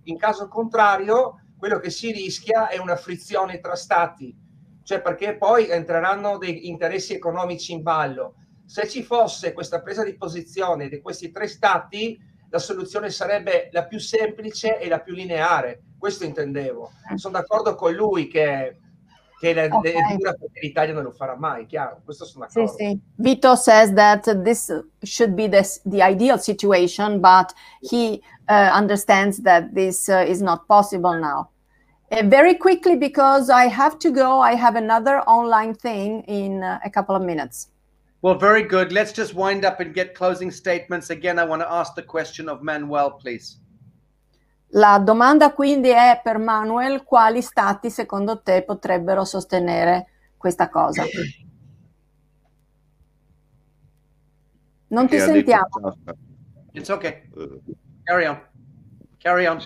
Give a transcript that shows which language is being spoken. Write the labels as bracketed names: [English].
[Italian] In caso contrario, quello che si rischia è una frizione tra stati, cioè perché poi entreranno dei interessi economici in ballo. Se ci fosse questa presa di posizione di questi tre stati, la soluzione sarebbe la più semplice e la più lineare. Questo intendevo. Sono d'accordo con lui che è dura, perché l'Italia non lo farà mai, chiaro. Questo sono d'accordo. Sì, sì. [English] Vito says that this should be the ideal situation, but he understands that this is not possible now. Very quickly, because I have to go, I have another online thing in a couple of minutes. Well, very good. Let's just wind up and get closing statements. Again, I want to ask the question of Manuel, please. [Italian] La domanda quindi è per Manuel: quali stati secondo te potrebbero sostenere questa cosa? Non ti sentiamo. [English] It's okay. Carry on. Carry on.